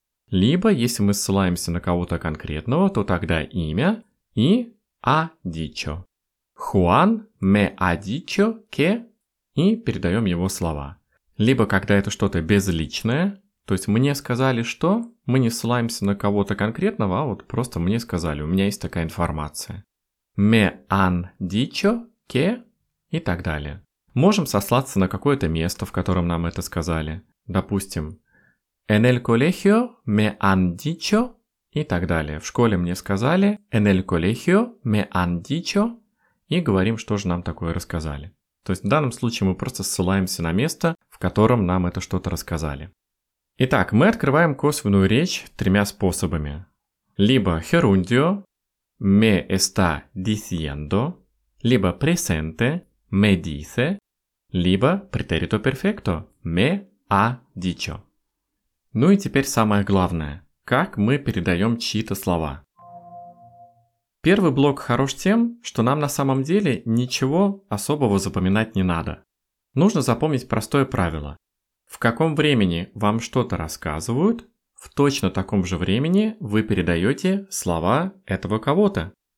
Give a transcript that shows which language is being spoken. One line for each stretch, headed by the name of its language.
Russian: Либо, если мы ссылаемся на кого-то конкретного, то тогда имя и
Spanish: «ha dicho». «Juan me ha dicho que»
Russian: и передаем его слова. Либо, когда это что-то безличное, То есть мне сказали что? Мы не ссылаемся на кого-то конкретного, а вот просто мне сказали, у меня есть такая информация.
Spanish: Me han dicho que
Russian: и так далее. Можем сослаться на какое-то место, в котором нам это сказали. Допустим,
Spanish: en el colegio me han dicho
Russian: и так далее. В школе мне сказали
Spanish: en el colegio me han dicho
Russian: и говорим, что же нам такое рассказали. То есть в данном случае мы просто ссылаемся на место, в котором нам это что-то рассказали. Итак, мы открываем косвенную речь тремя способами.
Spanish: Либо gerundio, me está diciendo, либо presente, me dice, либо pretérito perfecto, me ha dicho.
Russian: Ну и теперь самое главное. Как мы передаем чьи-то слова? Первый блок хорош тем, что нам на самом деле ничего особого запоминать не надо. Нужно запомнить простое правило. В каком времени вам что-то рассказывают, в точно таком же времени вы передаете слова этого кого-то.